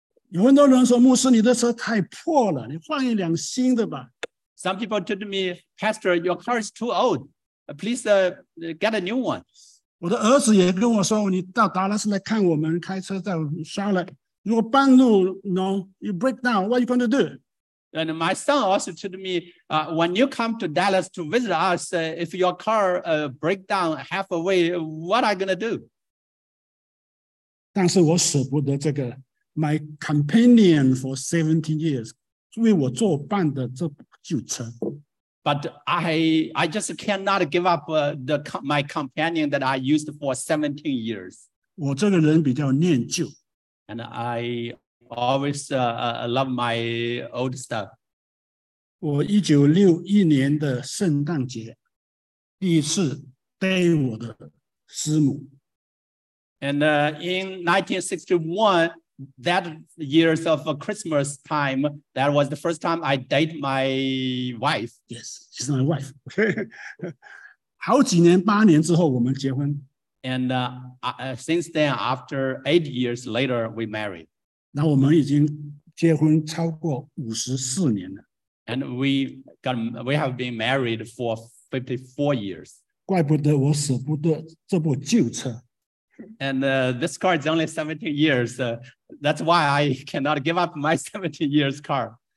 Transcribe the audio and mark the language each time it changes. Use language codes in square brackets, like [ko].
[zh] 有很多人说牧师你的车太破了你换一辆新的吧。 [en] Some people told me, Pastor, your car is too old. Please get a new one. [zh] 我的儿子也跟我说你到达拉斯来看我们开车在沙拉。如果半路 [en] no, you break down, what are you going to do? And my son also told me, when you come to Dallas to visit us, if your car break down halfway, what are you going to do? [zh] 但是我舍不得这个。 [en] My companion for 17 years, [zh] 为我作伴的这旧车。 [en] But I just cannot give up my companion that I used for 17 years. [zh] 我这个人比较念旧。 [en] And I always love my old stuff. [zh] 我1961年的圣诞节第一次带我的师母。 [en] And in 1961, that years of Christmas time, that was the first time I date my wife. Yes, she's my wife. [zh] 好几年, 8年之后我们结婚。 [en] And since then, after 8 years later, we married. [zh] 那我们已经结婚超过54年了。 [en] And we have been married for 54 years. [zh] 怪不得我舍不得这部旧车。 [en] And this car is only 17 years. That's why I cannot give up my 17 years car.